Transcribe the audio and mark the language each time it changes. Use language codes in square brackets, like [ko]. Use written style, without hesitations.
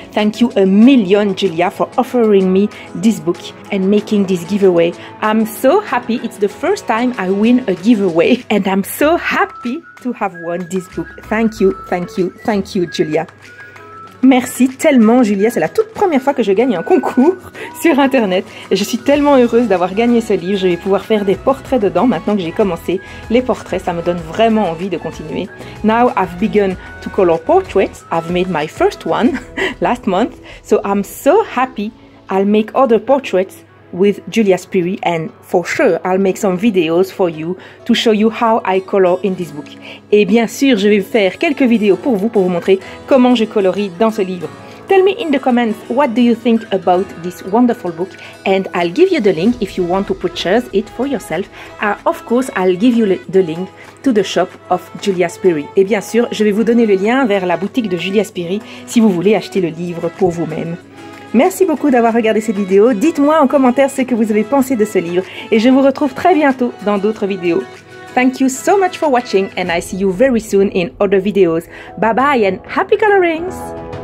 [en] Thank you a million, Julia, for offering me this book and making this giveaway. I'm so happy. It's the first time I win a giveaway. And I'm so happy to have won this book. Thank you, thank you, thank you, Julia. [fr] Merci tellement Julia, c'est la toute première fois que je gagne un concours sur internet et je suis tellement heureuse d'avoir gagné ce livre. Je vais pouvoir faire des portraits dedans maintenant que j'ai commencé les portraits, ça me donne vraiment envie de continuer. [en] Now I've begun to color portraits, I've made my first one last month, so I'm so happy. I'll make other portraits with Julia Spiri and for sure I'll make some videos for you to show you how I color in this book. [fr] Et bien sûr, je vais faire quelques vidéos pour vous montrer comment je colorie dans ce livre. [en] Tell me in the comments what do you think about this wonderful book and I'll give you the link if you want to purchase it for yourself. Of course, I'll give you the link to the shop of Julia Spiri. [fr] Et bien sûr, je vais vous donner le lien vers la boutique de Julia Spiri si vous voulez acheter le livre pour vous-même. Merci beaucoup d'avoir regardé cette vidéo. Dites-moi en commentaire ce que vous avez pensé de ce livre et je vous retrouve très bientôt dans d'autres vidéos. [en] Thank you so much for watching and I see you very soon in other videos. Bye bye and happy colorings!